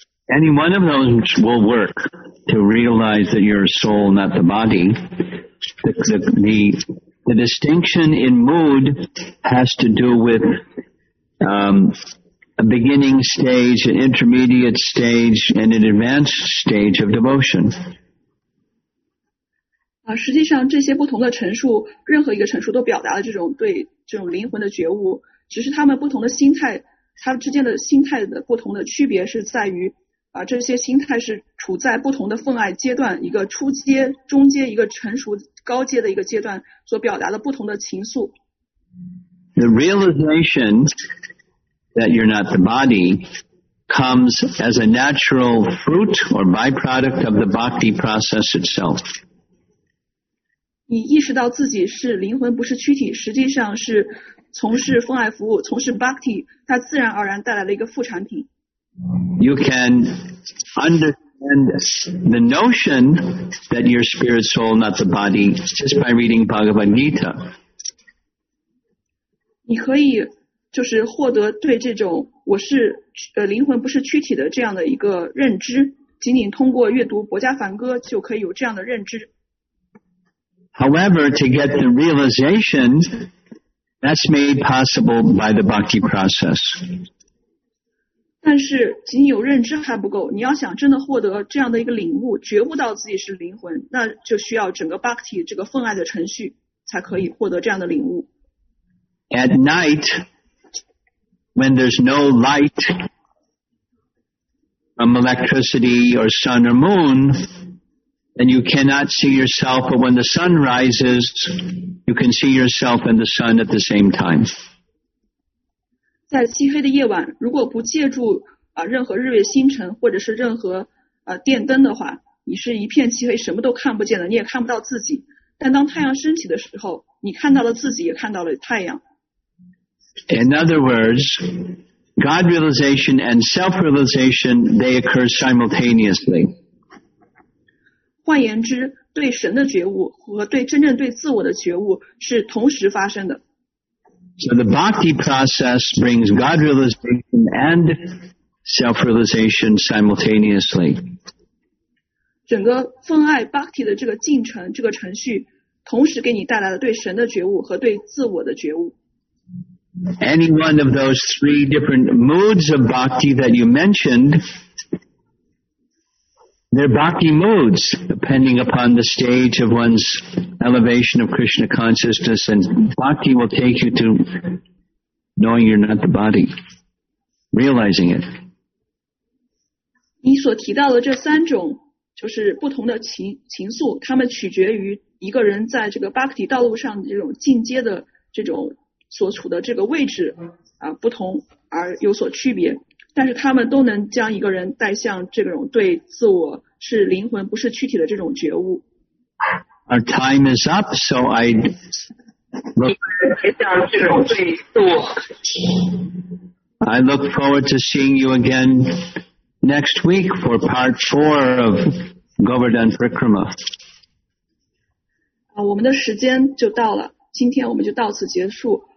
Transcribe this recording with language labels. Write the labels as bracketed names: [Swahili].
[English] Any one of those will work to realize that you're a soul, not the body. The distinction in mood has to do with a beginning stage, an intermediate stage, and an advanced stage of devotion. [Chinese] 实际上这些不同的陈述，任何一个陈述都表达了这种对这种灵魂的觉悟，只是他们不同的心态，他们之间的心态的不同的区别是在于这些心态是处在不同的奉爱阶段，一个初阶、中阶、一个成熟高阶的一个阶段，所表达的不同的情愫。 [English] The realization that you're not the body comes as a natural fruit or byproduct of the bhakti process itself. [Chinese] 你意识到自己是灵魂，不是躯体，实际上是从事奉爱服务，从事 bhakti， 它自然而然带来了一个副产品。 [English] You can understand the notion that you're spirit soul, not the body, just by reading Bhagavad Gita. [Chinese] 你可以就是获得对这种我是灵魂不是躯体的这样的一个认知，仅仅通过阅读《博迦梵歌》就可以有这样的认知。 [English] However, to get the realization, that's made possible by the bhakti process. [Chinese] 但是仅有认知还不够，你要想真的获得这样的一个领悟，觉悟到自己是灵魂，那就需要整个 Bhakti 这个奉爱的程序才可以获得这样的领悟。 [English] At night when there's no light from electricity or sun or moon, and you cannot see yourself, but when the sun rises you can see yourself and the sun at the same time. [Chinese] 在漆黑的夜晚，如果不借助任何日月星辰或者是任何电灯的话，你是一片漆黑，什么都看不见的，你也看不到自己。但当太阳升起的时候，你看到了自己，也看到了太阳。 [English] In other words, God realization and self realization, they occur simultaneously. [Chinese] 换言之，对神的觉悟和对真正对自我的觉悟是同时发生的。 [English] So the bhakti process brings God realization and self-realization simultaneously. [Chinese] 整个奉爱 bhakti 的这个进程，这个程序，同时给你带来了对神的觉悟和对自我的觉悟。 [English] Any one of those three different moods of bhakti that you mentioned, they're bhakti moods, depending upon the stage of one's elevation of Krishna consciousness, and bhakti will take you to knowing you're not the body, realizing it. [Chinese] 你所提到的这三种就是不同的情愫，它们取决于一个人在这个 bhakti 道路上的这种进阶的这种所处的这个位置啊不同而有所区别，但是他们都能将一个人带向这种对自我是灵魂不是躯体的这种觉悟。 [English] Our time is up, so I look forward to seeing you again next week for part four of Govardhan Parikrama. [Chinese] 啊，我们的时间就到了，今天我们就到此结束。